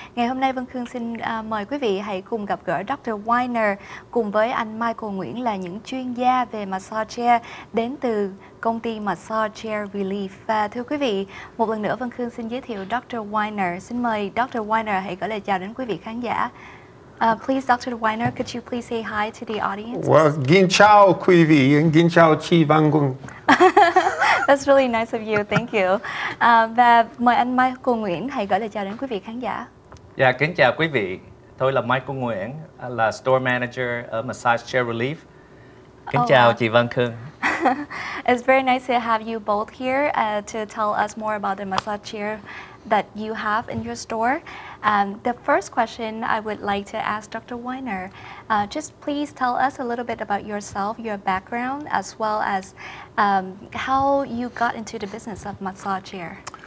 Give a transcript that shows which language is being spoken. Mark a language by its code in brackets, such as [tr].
[vi] Ngày hôm nay, Vân Khương xin mời quý vị hãy cùng gặp gỡ Dr. Weiner cùng với anh Michael Nguyễn là những chuyên gia về massage chair đến từ công ty Massage Chair Relief. Và thưa quý vị, một lần nữa Vân Khương xin giới thiệu Dr. Weiner. Xin mời Dr. Weiner hãy gửi lời chào đến quý vị khán giả. [en] Please, Dr. Weiner, could you please say hi to the audience? [vi] Well, xin chào quý vị, xin chào chị Văn Quân. [en] That's really nice of you, thank you. [vi] Và mời anh Michael Nguyễn hãy gửi lời chào đến quý vị khán giả. Dạ, kính chào quý vị. Tôi là Michael Nguyễn, là Store Manager ở Massage Chair Relief. Kính chào chị Văn Quân. [en] It's very nice to have you both here to tell us more about the massage chair that you have in your store. The first question I would like to ask Dr. Weiner, just please tell us a little bit about yourself, your background, as well as how you got into the business of massage chair.